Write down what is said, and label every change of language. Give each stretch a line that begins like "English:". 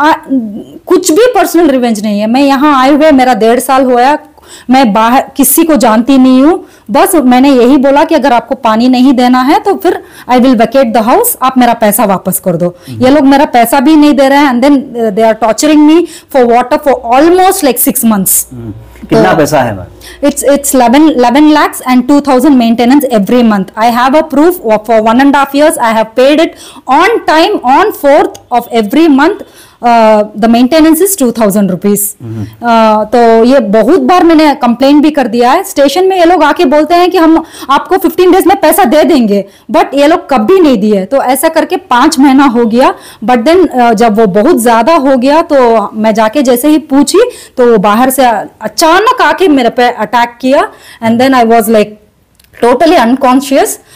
Hindi: कुछ भी personal revenge नहीं है। मैं यहाँ आए हुए मेरा 1.5 साल हुआ, मैं बाहर किसी को जानती नहीं हूँ। बस मैंने यही बोला कि अगर आपको पानी नहीं देना है तो फिर
English: I will vacate the house,
Hindi: आप मेरा पैसा वापस कर दो। ये लोग मेरा पैसा भी नहीं दे रहे हैं
English: And then they are torturing me for water for almost like 6 months.
Hindi: कितना पैसा है?
English: It's 11 lakhs and 2000 maintenance every month. I have a proof for 1.5 years. I have paid it on time on 4th of every month. The maintenance is 2000 rupees.
Hindi: तो ये बहुत बार मैंने complain भी कर दिया है स्टेशन में। ये लोग आके बोलते हैं कि हम आपको 15 डेज में पैसा दे देंगे, बट ये लोग कभी नहीं दिए। तो ऐसा करके 5 महीना हो गया, बट देन जब वो बहुत ज्यादा हो गया तो मैं जाके जैसे ही पूछी तो वो बाहर से अचानक आके मेरे पे अटैक किया
English: And then I was like totally unconscious.